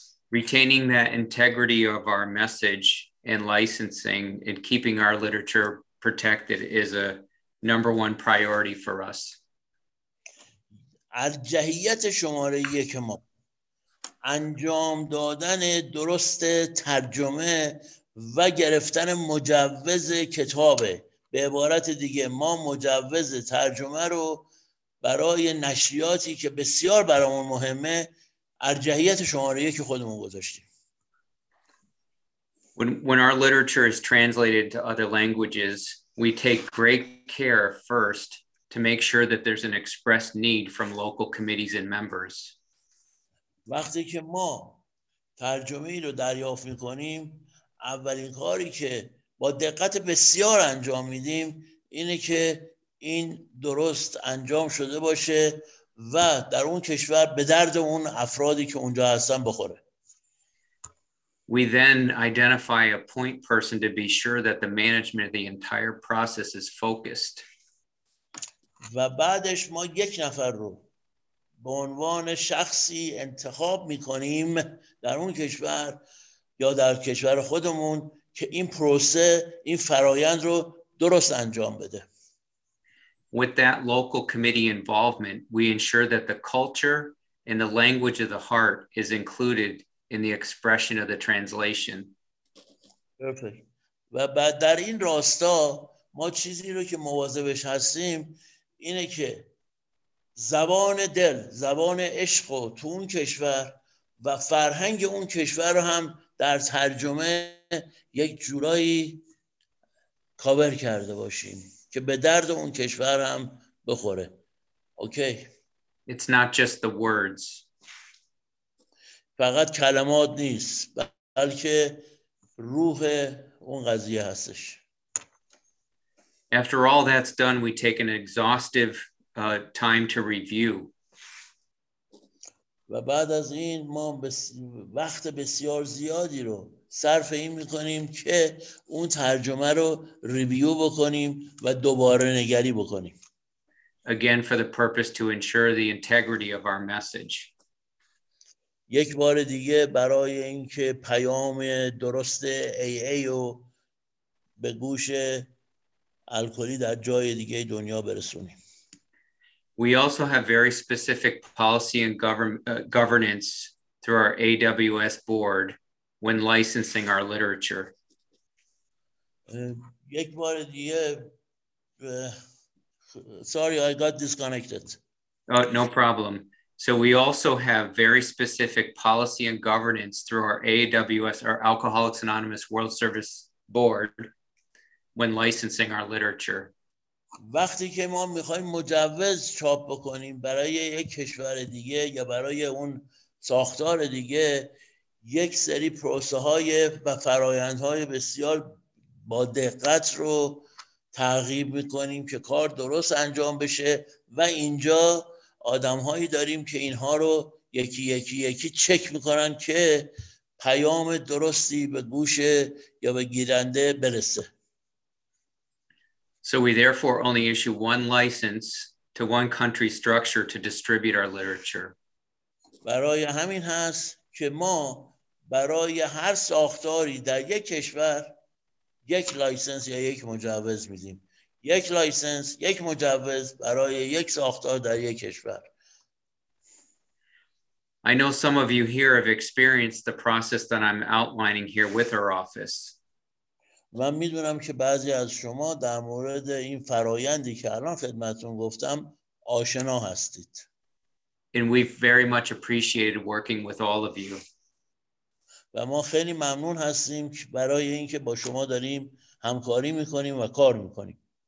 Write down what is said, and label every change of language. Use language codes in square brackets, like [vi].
[en] Retaining that integrity of our message and licensing and keeping our literature protected is a number one priority for us. [fa] ارجحیت شماره یک ما انجام دادن درست ترجمه و گرفتن مجوز کتابه. به عبارت دیگه ما مجوز ترجمه رو برای نشریاتی که بسیار برامون مهمه ارجحیت شماره یک خودمون گذاشتیم. [en] When our literature is translated to other languages, we take great care first to make sure that there's an expressed need from local committees and members. [fa] وقتی که ما ترجمه‌ای رو دریافت می‌کنیم، اولین کاری که با دقت بسیار انجام می‌دیم اینه که این درست انجام شده باشه و در اون کشور به درد اون افرادی که اونجا هستن بخوره. [en] We then identify a point person to be sure that the management of the entire process is focused. [fa] و بعدش ما یک نفر رو به عنوان شخصی انتخاب می‌کنیم در اون کشور یا در کشور خودمون که این پروسه این فرایند رو درست انجام بده. [en] With that local committee involvement, we ensure that the culture and the language of the heart is included in the expression of the translation. Perfect. [fa] و بعد در این راستا ما چیزی رو که مواظبش هستیم اینه که زبان دل، زبان عشق تو اون کشور و فرهنگ اون کشور رو هم در ترجمه یک جورایی کاور کرده باشیم که به درد اون کشور هم بخوره. [en] Okay. It's not just the words. [fa] فقط کلمات نیست بلکه روح اون قضیه هستش. [en] After all that's done, we take an exhaustive time to review. [fa] و بعد از این ما وقت بسیار زیادی رو صرف این می‌کنیم که اون ترجمه رو ریویو بکنیم و دوباره نگری بکنیم. [en] Again for the purpose to ensure the integrity of our message. [fa] یک بار دیگه برای اینکه پیام درست AA رو به گوش الکلی در جای دیگه دنیا برسونیم. [en] We also have very specific policy and governance through our AWS board when licensing our literature. [fa] یک بار دیگه [en] sorry I got disconnected. Oh, no problem. So we also have very specific policy and governance through our AWS, our Alcoholics Anonymous World Service Board, when licensing our literature. [fa] وقتی که ما میخوایم مجوز چاپ بکنیم برای یک کشور دیگه یا برای اون ساختار دیگه یک سری پروسه های و فرایند های بسیار با دقت رو تعقیب میکنیم که کار درست انجام بشه و اینجا آدم‌هایی داریم که اینها رو یکی یکی یکی چک می‌کنن که پیام درستی به گوش یا به گیرنده برسه. [en] So we therefore only issue one license to one country structure to distribute our literature. [fa] برای همین هست که ما برای هر ساختاری در یک کشور یک لایسنس یا یک مجوز میدیم. یک لایسنس، یک مجوز برای یک ساختار در یک کشور. [en] I know some of you here have experienced the process that I'm outlining here with our office. [fa] من میدونم که بعضی از شما در مورد این فرایندی که الان خدمتتون گفتم آشنا هستید. [en] And we've very much appreciated working with all of you. [fa] و ما خیلی ممنون هستیم برای اینکه با شما داریم همکاری میکنیم و کار میکنیم.